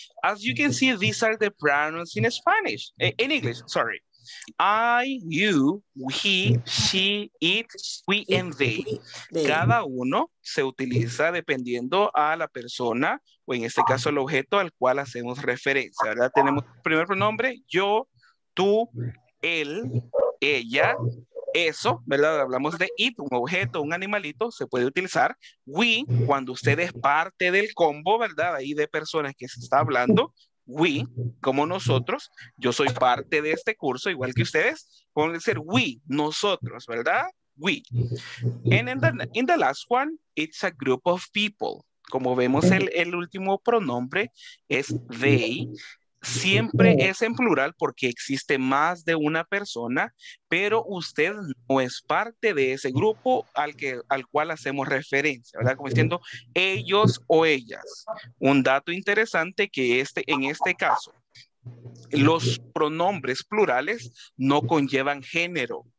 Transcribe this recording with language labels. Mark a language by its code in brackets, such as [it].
[en] As you can see, these are the pronouns in Spanish. In English, sorry. I, you, he, she, it, we, and they. [es] Cada uno se utiliza dependiendo a la persona o en este caso el objeto al cual hacemos referencia, ¿verdad? Tenemos el primer pronombre, yo, tú, él, ella, eso, ¿verdad? Hablamos de it, un objeto, un animalito, se puede utilizar. We, cuando usted es parte del combo, ¿verdad? Ahí de personas que se está hablando. We, como nosotros, yo soy parte de este curso, igual que ustedes, pueden decir we, nosotros, ¿verdad? [en] We. And in the last one, it's a group of people. [es] Como vemos, el último pronombre es they. Siempre es en plural porque existe más de una persona, pero usted no es parte de ese grupo al cual hacemos referencia, ¿verdad? Como diciendo ellos o ellas. Un dato interesante que en este caso, los pronombres plurales no conllevan género.